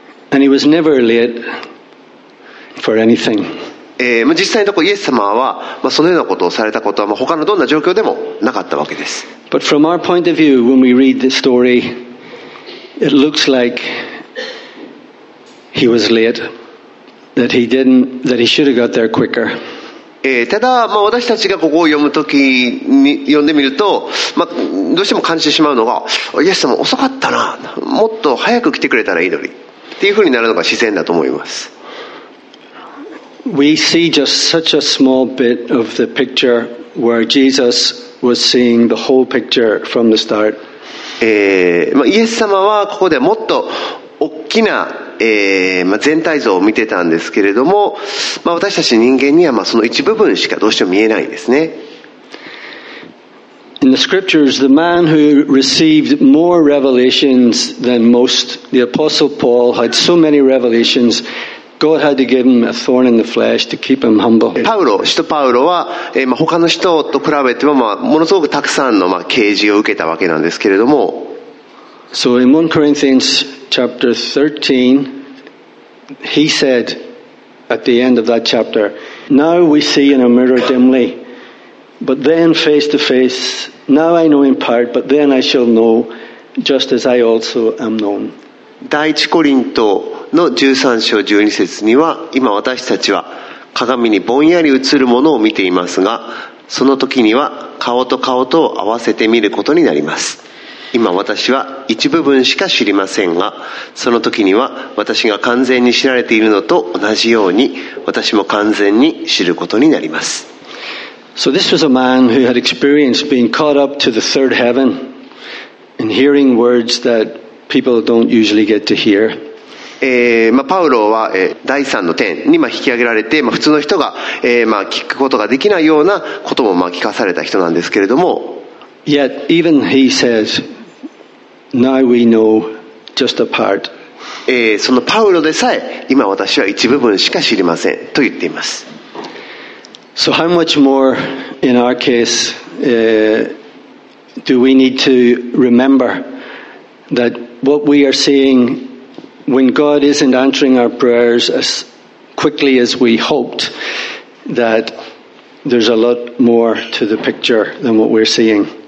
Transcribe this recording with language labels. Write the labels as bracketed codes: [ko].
[en] And he was never late for anything. [ja] 実際のところイエス様は、まあ、そのようなことをされたことは、まあ、他のどんな状況でもなかったわけです。 [en] But from our point of view, when we read this story, it looks like he was late. That he should have got there quicker. [ja] ただ、まあ、私たちがここを読むときに読んでみると、まあ、どうしても感じてしまうのが、イエス様遅かったな。もっと早く来てくれたらいいのに。っていうふうになるのが自然だと思います。 [en] We see just such a small bit of the picture where Jesus was seeing the whole picture from the start. [ja] まあ、イエス様はここでもっと大きな、まあ、全体像を見てたんですけれども、まあ、私たち人間にはまあその一部分しかどうしても見えないんですね。 [en] In the scriptures, the man who received more revelations than most, the Apostle Paul, had so many revelations God had given him a thorn in the flesh to keep him humble. [ja] パウロは、他の人と比べても、ものすごくたくさんの、啓示を受けたわけなんですけれども。 [en] So in 1 Corinthians chapter 13, he said at the end of that chapter, Now we see in a mirror dimly, but then face to face, now I know in part, but then I shall know, just as I also am known. [ja] 第1コリントの13章12節には今私たちは鏡にぼんやり映るものを見ていますがその時には顔と顔とを合わせて見ることになります今私は一部分しか知りませんがその時には私が完全に知られているのと同じように私も完全に知ることになります [en] So this was a man who had experienced being caught up to the third heaven and hearing words that people don't usually get to hear. [ja] パウロは、第三の天に、引き上げられて、普通の人が、聞くことができないようなことも、聞かされた人なんですけれども [en] Yet, even he says, Now we know just a part. [ja] そのパウロでさえ今私は一部分しか知りませんと言っています [en] So how much more in our case、do we need to remember that what we are seeingWhen God isn't answering our prayers as quickly as we hoped, that there's a lot more to the picture than what we're seeing.